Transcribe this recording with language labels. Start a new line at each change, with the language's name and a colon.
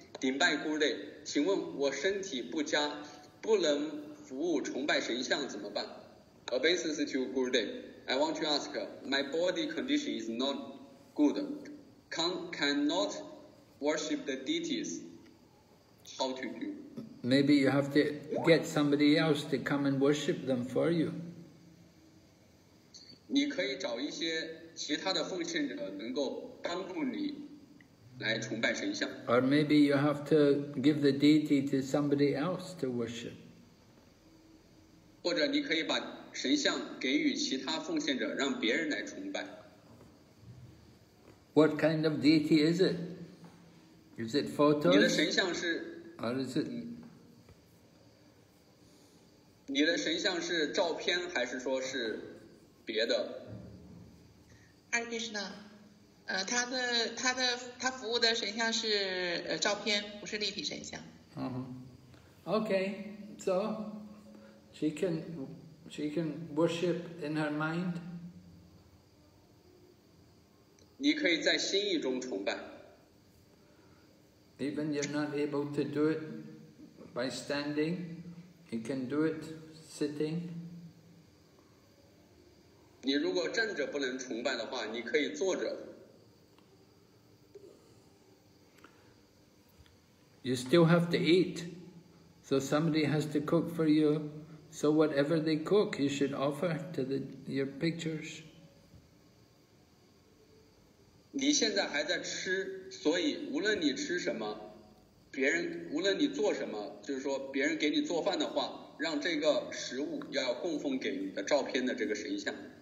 Chinese: 顶拜 Guru， 请问我身体不佳，不能服务崇拜神像怎么办 ？
English: Obeisance to Guru， I want to ask. My body condition is not good. Cannot worship the deities. How to do? Maybe you have to get somebody else to come and worship them for you.
Chinese: 你可以找一些其他的奉献者能够帮助你来崇拜神像。
English: Or maybe you have to give the deity to somebody else to worship.
Chinese: 或者你可以把神像给予其他奉献者，让别人来崇拜。
English: What kind of deity is it? Is it photos?
Chinese: 你的神像是
English: Or is it?
Chinese: 你的神像是照片还是说是别的？Hare Krishna， 他服务的神像是照片，不是立体神像。
English: Uh-huh. Okay, so she can worship in her mind.
Chinese: 你可以在心意中崇拜。
English: Even if you're not able to do it by standing, you can do it sitting.
Chinese: 你如果站着不能崇拜的话，你可以坐着。
English: You still have to eat. So somebody has to cook for you. So whatever they cook, you should offer to the, your pictures.
Chinese: 你现在还在吃，所以无论你吃什么，别人无论你做什么，就是说别人给你做饭的话，让这个食物要供奉给你的照片的这个神像。